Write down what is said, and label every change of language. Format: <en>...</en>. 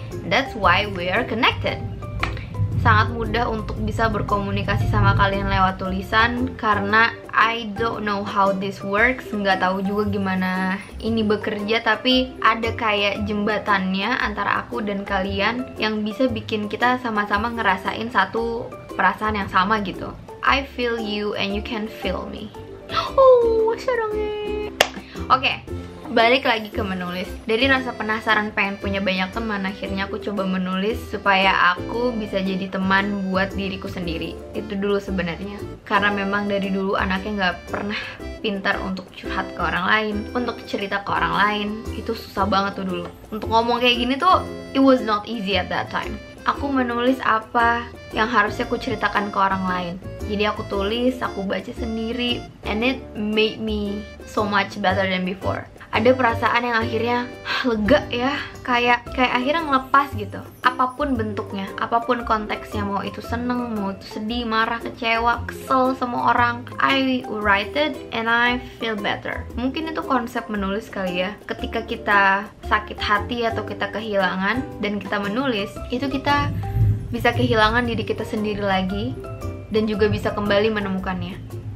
<en>That's why we are connected.</en> <id>Sangat mudah untuk bisa berkomunikasi sama kalian lewat tulisan, karena</id> <en>I don't know how this works,</en> <id>nggak tahu juga gimana ini bekerja, tapi ada kayak jembatannya antara aku dan kalian yang bisa bikin kita sama-sama ngerasain satu perasaan yang sama gitu.</id> <en>I feel you and you can feel me.</en> <id>Oh, serangnya. Okay. Balik lagi ke menulis. Dari rasa penasaran pengen punya banyak teman, akhirnya aku coba menulis supaya aku bisa jadi teman buat diriku sendiri. Itu dulu sebenarnya. Karena memang dari dulu anaknya gak pernah pintar untuk curhat ke orang lain, untuk cerita ke orang lain. Itu susah banget tuh dulu. Untuk ngomong kayak gini tuh,</id> <en>it was not easy at that time.</en> <id>Aku menulis apa yang harusnya aku ceritakan ke orang lain. Jadi aku tulis, aku baca sendiri,</id> <en>and it made me so much better than before.</en> <id>ada perasaan yang akhirnya lega ya, kayak akhirnya ngelepas gitu. Apapun bentuknya, apapun konteksnya, mau itu seneng, mau itu sedih, marah, kecewa, kesel sama orang,</id> <en>I write it and I feel better.</en> <id>Mungkin itu konsep menulis kali ya. Ketika kita sakit hati atau kita kehilangan dan kita menulis, itu kita bisa kehilangan diri kita sendiri lagi dan juga bisa kembali menemukannya.</id>